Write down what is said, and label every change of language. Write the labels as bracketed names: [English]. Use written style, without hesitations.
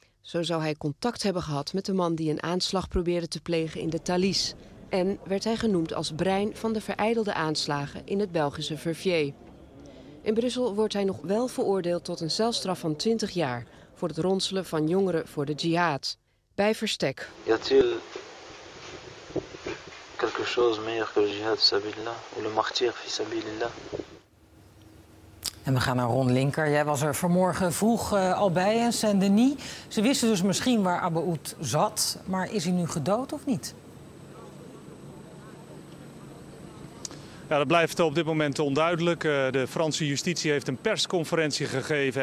[Dutch] Zo zou hij contact hebben gehad met de man die een aanslag probeerde te plegen in de Thalys. En werd hij genoemd als brein van de verijdelde aanslagen in het Belgische Verviers. In Brussel wordt hij nog wel veroordeeld tot een celstraf van 20 jaar... voor het ronselen van jongeren voor de jihad. Bij verstek. Ja, natuurlijk. [French] Quelque chose meilleur que le jihad fisabilillah ou le martyr fisabilillah. [Dutch] En we gaan naar Ron Linker. Jij was er vanmorgen vroeg al bij in Saint-Denis. Ze wisten dus misschien waar Abaoud zat, maar is hij nu gedood of niet? Ja, dat blijft op dit moment onduidelijk. De Franse justitie heeft een persconferentie gegeven.